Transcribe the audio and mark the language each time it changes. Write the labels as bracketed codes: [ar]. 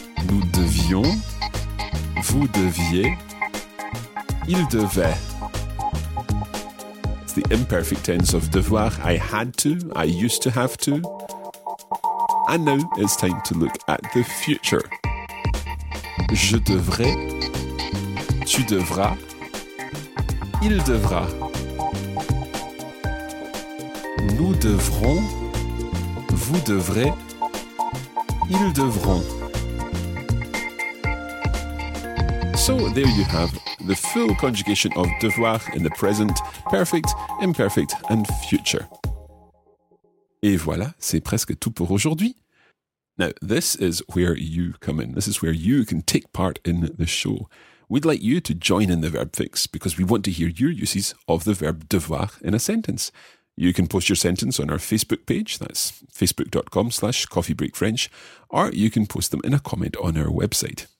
[fr] Nous devions. Vous deviez. Il devait. [en] It's the imperfect tense of devoir. I had to. I used to have to. And now it's time to look at the future. [fr] Je devrais, tu devras, il devra, nous devrons, vous devrez, ils devront. [en] So there you have the full conjugation of devoir in the present, perfect, imperfect, and future. [fr] Et voilà, c'est presque tout pour aujourd'hui. [en] Now, this is where you come in. This is where you can take part in the show. we'd like you to join in the verb fix because we want to hear your uses of the verb devoir in a sentence. You can post your sentence on our Facebook page, that's facebook.com/coffeebreakfrench, or you can post them in a comment on our website.